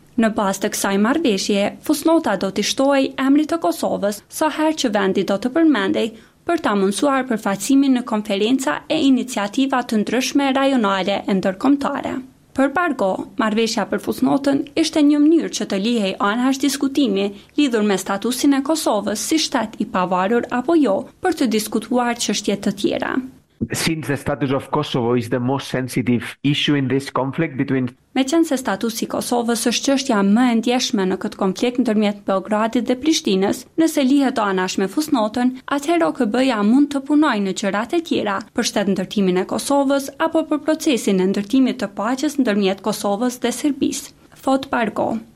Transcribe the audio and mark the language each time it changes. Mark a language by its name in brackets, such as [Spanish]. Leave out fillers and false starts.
[Albanian] Në bazë të kësaj marrëveshje, fusnota do të shtohej emrit të Kosovës sa herë që vendi do të përmendej për ta mundësuar përfaqësimin në konferenca e iniciativa të ndryshme rajonale e ndërkombëtare. Për Bargo, marrëveshja për fusnotën ishte një mënyrë që të lihej anash diskutimi lidhur me statusin e Kosovës si shtet i pavarur apo jo për të diskutuar çështjet të tjera. [English] Since the status of Kosovo is the most sensitive issue in this conflict between [Albanian] Meqense statusi i Kosovës është çështja më e ndjeshme në këtë konflikt ndërmjet Beogradit dhe Prishtinës, nëse lihet anash me fusnotën, atëherë OKB-ja mund të punojë në qërat e tjera për shtet ndërtimin e Kosovës apo për procesin e ndërtimit të paqes ndërmjet Kosovës dhe Serbisë. Thot Bargo.